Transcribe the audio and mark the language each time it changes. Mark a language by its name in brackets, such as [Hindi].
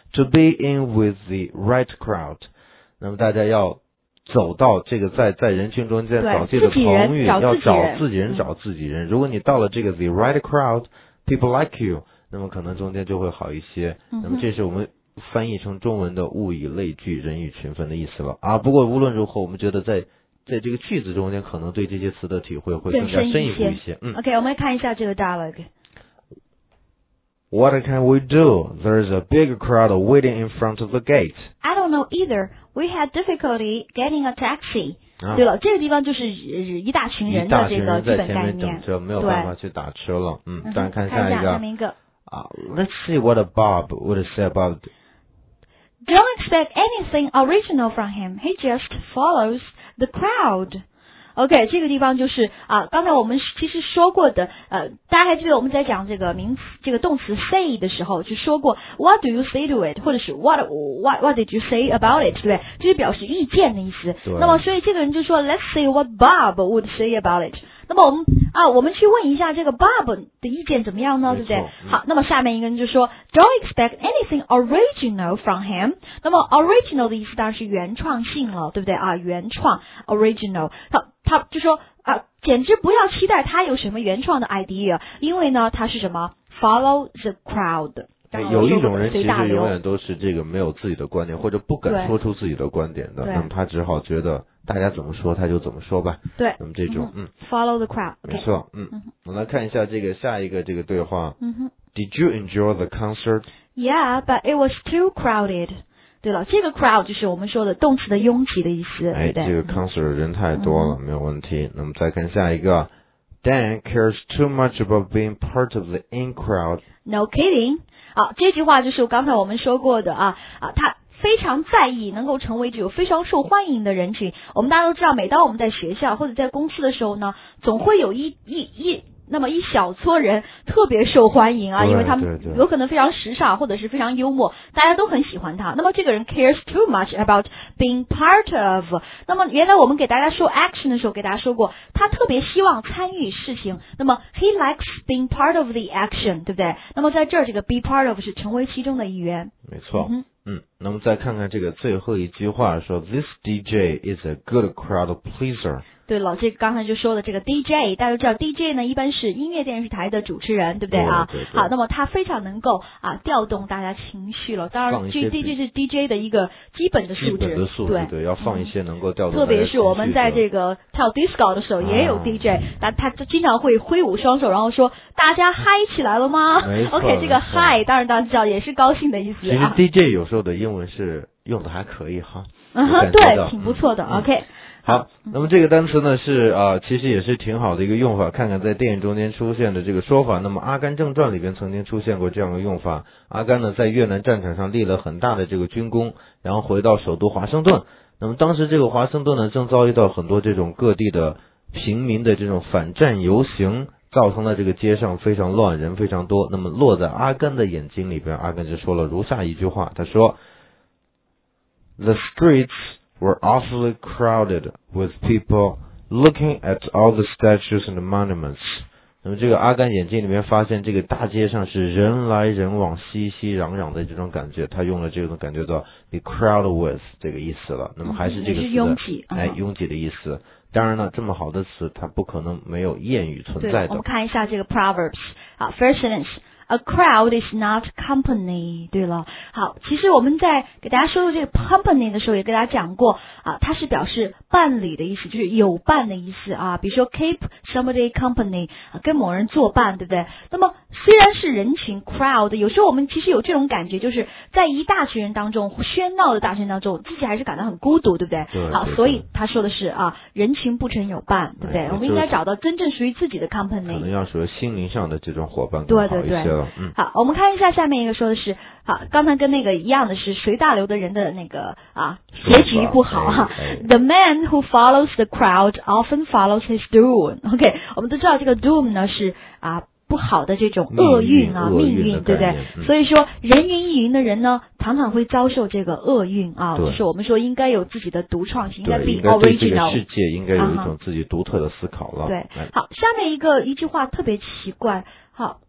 [English] To be in with the right crowd， [Chinese] 那么大家要走到这个在人群中间找自己的朋友，要找自己人，找自己人。如果你到了这个 [English] the right crowd， people like you， [Chinese] 那么可能中间就会好一些。那么这是我们翻译成中文的物以类聚，人以群分的意思了啊。不过无论如何，我们觉得在这个句子中间，可能对这些词的体会会更加深一步一些。 OK， 我们看一下这个 dialogue。 [English] What can we do? There's a big crowd waiting in front of the gate. I don't know either. We had difficulty getting a taxi.、啊、 [Chinese] 对了，这个地方就是一大群人的这个基本概念。一大群人在前面等着，没有办法去打车了。再看下一个。 [English] Let's see what Bob would say about it. Don't expect anything original from him. He just follows the crowd. [Chinese] OK， 这个地方就是啊，刚才我们其实说过的，大家还记得我们在讲这个名词、这个动词 say 的时候，就说过 [English] What do you say to it？或者是 What did you say about it？ [Chinese] 对不对？就是表示意见的意思。那么，所以这个人就说 [English] Let's see what Bob would say about it。 [Chinese] 那么我们啊，我们去问一下这个 Bob 的意见怎么样呢？对不对？好，那么下面一个人就说 [English] Don't expect anything original from him。 [Chinese] 那么 original 的意思当然是原创性了，对不对啊？原创 original。他就说啊，简直不要期待他有什么原创的 idea， 因为呢，他是什么 [English] follow the crowd。 [Chinese] 有一种人其实永远都是这个没有自己的观点，或者不敢说出自己的观点的，那么他只好觉得大家怎么说他就怎么说吧。对，那么这种 [English] follow the crowd， [Chinese] 没错。我们来看一下这个下一个这个对话。 [English] Did you enjoy the concert？ Yeah， but it was too crowded。 [Chinese] 对了，这个 crowd 就是我们说的动词的拥挤的意思。哎，对这个 concert 人太多了，没有问题。那么再看下一个。 [English] Dan cares too much about being part of the in crowd. No kidding. [Chinese] 好，这句话就是刚才我们说过的啊啊，他非常在意能够成为这种非常受欢迎的人群。我们大家都知道，每当我们在学校或者在公司的时候呢，总会有一小撮人特别受欢迎啊，因为他们有可能非常时尚或者是非常幽默，大家都很喜欢他。那么这个人 [English] cares too much about being part of。 [Chinese] 那么原来我们给大家说 action 的时候给大家说过，他特别希望参与事情，那么 [English] he likes being part of the action， [Chinese] 对不对？那么在这儿这个 [English] be part of [Chinese] 是成为其中的一员，没错。那么再看看这个最后一句话，说 [English] This DJ is a good crowd pleaser。 [Chinese] 对了，这个、刚才就说了这个 DJ， 大家都知道 DJ 呢一般是音乐电视台的主持人，对不对啊？对对对，好，那么他非常能够啊调动大家情绪了。当然 DJ 是 DJ 的一个基本的素质，基本的素质， 对要放一些能够调动大家情绪的。特别是我们在这个跳 disco 的时候也有 DJ，他经常会挥舞双手，然后说大家嗨起来了吗？没错，OK， 这个嗨当然大家知道也是高兴的意思、啊。其实 DJ 有时候的英文是用的还可以哈，嗯哼，对，挺不错的。OK。好，那么这个单词呢是其实也是挺好的一个用法，看看在电影中间出现的这个说法。那么《阿甘正传》里边曾经出现过这样的用法，阿甘呢在越南战场上立了很大的这个军功，然后回到首都华盛顿。那么当时这个华盛顿呢正遭遇到很多这种各地的平民的这种反战游行，造成了这个街上非常乱，人非常多。那么落在阿甘的眼睛里边，阿甘就说了如下一句话，他说 [English] The streetsWere awfully crowded with people looking at all the statues and monuments. [Chinese] 那么这个阿甘眼睛里面发现这个大街上是人来人往，熙熙攘攘的这种感觉，他用了这种感觉叫 [English] be crowded with [Chinese] 这个意思了。那么还是这个词的、嗯、拥挤、嗯、哎，拥挤的意思。当然了，这么好的词它不可能没有谚语存在的。对，我们看一下这个 proverbs、啊、 [English] first sentenceA crowd is not company. [Chinese] 对了，好，其实我们在给大家说说这个 company 的时候，也给大家讲过啊，它是表示伴侣的意思，就是有伴的意思啊。比如说 [English] keep somebody company，、 [Chinese] 啊、跟某人作伴，对不对？那么虽然是人群 crowd， 有时候我们其实有这种感觉，就是在一大群人当中，喧闹的大群人当中，自己还是感到很孤独，对不对？对。好、啊，所以他说的是啊，人群不成有伴，对不对？我们应该找到真正属于自己的 company。可能要说心灵上的这种伙伴更好一些。对对对。嗯、好，我们看一下下面一个说的是，好，刚才跟那个一样的是随大流的人的那个啊，结局不好哈、哎哎。 [English] The man who follows the crowd often follows his doom. [Chinese] OK， 我们都知道这个 doom 呢是啊不好的这种厄运啊命运，对不对、嗯？所以说人云亦云的人呢，常常会遭受这个厄运啊。就是我们说应该有自己的独创性，应该 [English] be original。 [Chinese] 对，应该对这个世界应该有一种自己独特的思考了。啊、对，好，下面一句话特别奇怪，好。